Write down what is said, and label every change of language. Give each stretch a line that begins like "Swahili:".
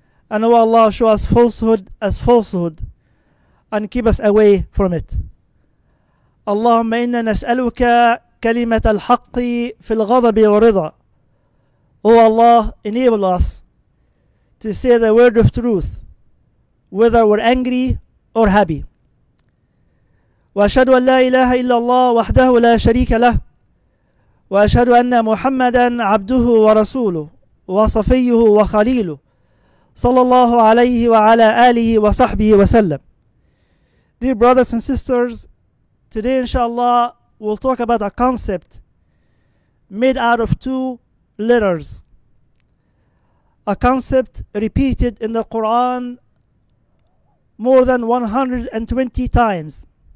English: And O Allah, show us falsehood as falsehood and keep us away from it.
Arabic: اللهم إنا نسألك كلمة الحق في الغضب والرضا.
English: O Allah, enable us to say the word of truth, whether we're angry or happy.
Arabic: وأشهد أن لا إله إلا الله وحده لا شريك له، وأشهد أن محمدا عبده ورسوله وصفيه وخليله، صلى الله عليه وعلى آله وصحبه وسلم.
English: Dear brothers and sisters, today, inshallah, we'll talk about a concept made out of two letters. A concept repeated in the Quran more than 120 times.